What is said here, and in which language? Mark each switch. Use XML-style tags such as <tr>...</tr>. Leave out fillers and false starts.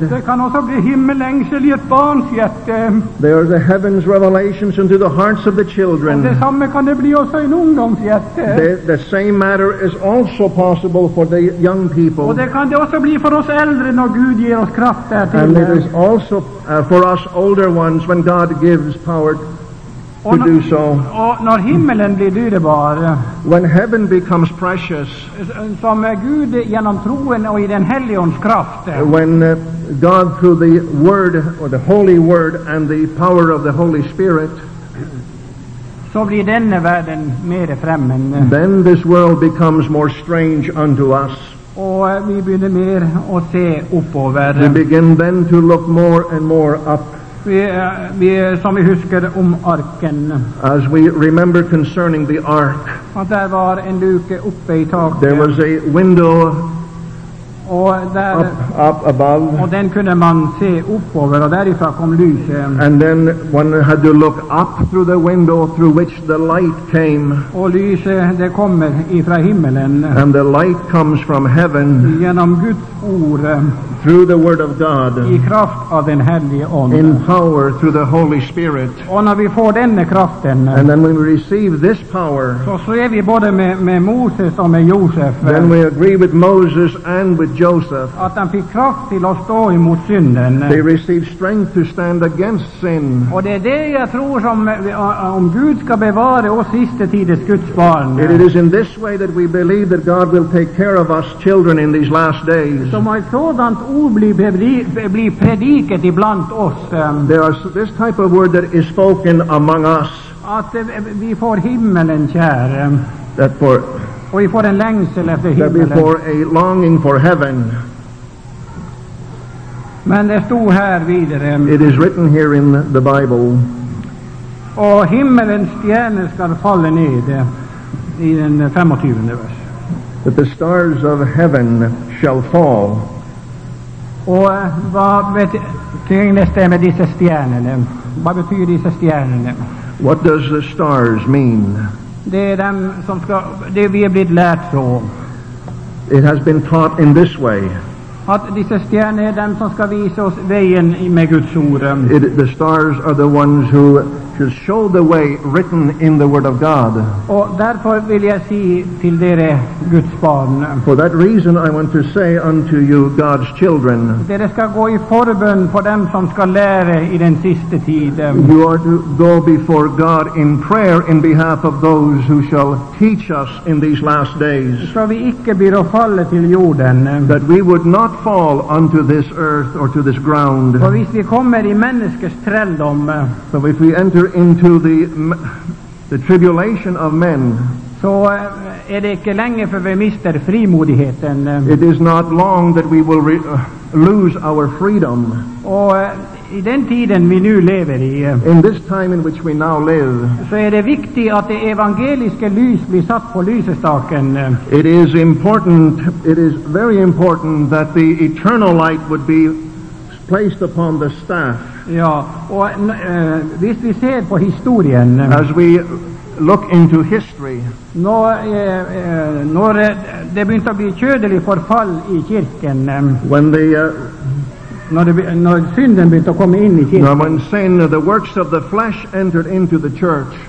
<en>There are the heaven's revelations into the hearts of the children. The same matter is also possible for the young people. And it is also for us older ones when God gives power to do so.</en> <sv>Och när himmelen blir dyrbar,</sv> <en>when heaven becomes precious,</en> <sv>som Gud genom troen och i den helions kraft,</sv> <en>when God through the word or the holy word and the power of the Holy Spirit,</en> <sv>så blir denna världen mer främmande.</sv> <en>Then this world becomes more strange unto us.</en> <sv>Och vi börjar mer att se uppover.</sv> <en>We begin then to look more and more up.</en> <sv>Vi som vi husker om arken.</sv> <en>As we remember concerning the ark.</en> <sv>Och där var en luke uppe i taket.</sv> <en>There was a window.</en> <sv>Och där,</sv> <en>up above.</en> <sv>Och den kunde man se uppover och därifrån kom lyset.</sv> <en>And then one had to look up through the window through which the light came.</en> <sv>Och lyset det kommer ifrån himmelen.</sv> <en>And the light comes from heaven.</en> <sv>Genom Guds ord.</sv> <en>Through the word of God.</en> <sv>I kraft av den helige ande.</sv> <en>In power through the Holy Spirit.</en> <sv>Och när vi får denna kraften.</sv> <en>And then when we receive this power.</en> <sv>Så ser vi både med Moses och med Josef.</sv> <en>Then we agree with Moses and with Joseph.</en> <sv>Att han fick kraft till att stå emot synden.</sv> <en>They received strength to stand against sin.</en> <sv>Och det är det jag tror som om Gud ska bevara oss sista tidens Guds barn.</sv> <en>And it is in this way that we believe that God will take care of us children in these last days.</en> <sv>Som jag sådan blir predikat ibland oss.</sv> <en>There is this type of word that is spoken among us.</en> <sv>Att vi får himmelen kär.</sv> <en>That for.</en> <sv>Och vi får en längsel efter himmelen.</sv> <en>That we for a longing for heaven.</en> <sv>Men det står här vidare.</sv> <en>It is written here in the Bible.</en> <sv>Och himmelens stjärnor ska falla ned i den 25:e vers.</sv> <en>That the stars of heaven shall fall.</en> <sv>Och vad betyder det med dessa stjärnorna? Vad betyder dessa stjärnorna?</sv> <en>What does the stars mean?</en> <sv>Det är dem som ska, det vi har blivit lärt så.</sv> <en>It has been taught in this way.</en> <sv>Att dessa stjärnor är dem som ska visa oss vägen med Guds ord.</sv> <en>The stars are the ones who should show the way written in the word of God.</en> <sv>Och därför vill jag säga till er Guds barn.</sv> <en>For that reason I want to say unto you God's children.</en> <sv>Det ska gå i förbön för dem som ska lära i den sista tiden.</sv> <en>You are to go before God in prayer in behalf of those who shall teach us in these last days.</en> <sv>Så vi icke blir att falla till jorden.</sv> <en>That we would not fall unto this earth or to this ground.</en> <sv>För vi kommer i människors träldom.</sv> <en>So if we enter into the tribulation of men.</en> <sv>Så är det inte länge för vi mister frimodigheten.</sv> <en>It is not long that we will lose our freedom.</en> <sv>Och i den tiden vi nu lever i.</sv> <en>In this time in which we now live.</en> <sv>Så är det viktigt att det evangeliska lys blir satt på lysestaken.</sv> <en>It is important. It is very important that the eternal light would be placed upon the staff.</en> <sv>Ja, och visst vi ser på historien.</sv> <en>As we look into history.</en> <sv>När det begynte att bli kyrkelig förfall i kyrken.</sv> <en>When the</en> <sv>när synden begynte att komma in i kyrkan.</sv> <en>Now when sin, the works of the flesh entered into the church.</en>